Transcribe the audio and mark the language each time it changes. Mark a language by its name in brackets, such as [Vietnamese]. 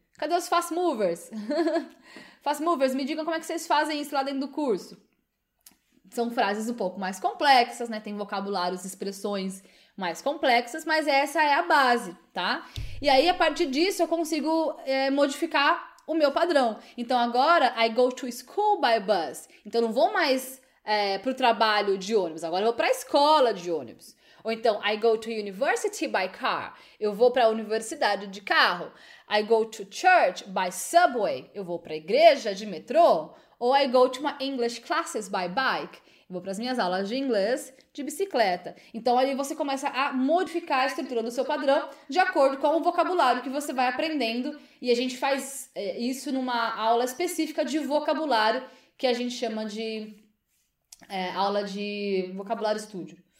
[Portuguese] Cadê os fast movers? Fast movers, me digam como é que vocês fazem isso lá dentro do curso. São frases um pouco mais complexas, né? Tem vocabulários, expressões mais complexas, mas essa é a base, tá? E aí, a partir disso, eu consigo modificar o meu padrão. Então, agora, [English] I go to school by bus. [Portuguese] Então, não vou mais pro trabalho de ônibus. Agora, eu vou pra escola de ônibus. Ou então, [English] I go to university by car. [Portuguese] Eu vou pra universidade de carro. [English] I go to church by subway. [Portuguese] Eu vou pra igreja de metrô. [English] Ou I go to my English classes by bike. [Portuguese] Eu vou pras minhas aulas de inglês de bicicleta. Então, aí você começa a modificar a estrutura do seu padrão de acordo com o vocabulário que você vai aprendendo. E a gente faz isso numa aula específica de vocabulário que a gente chama de aula de vocabulário estúdio.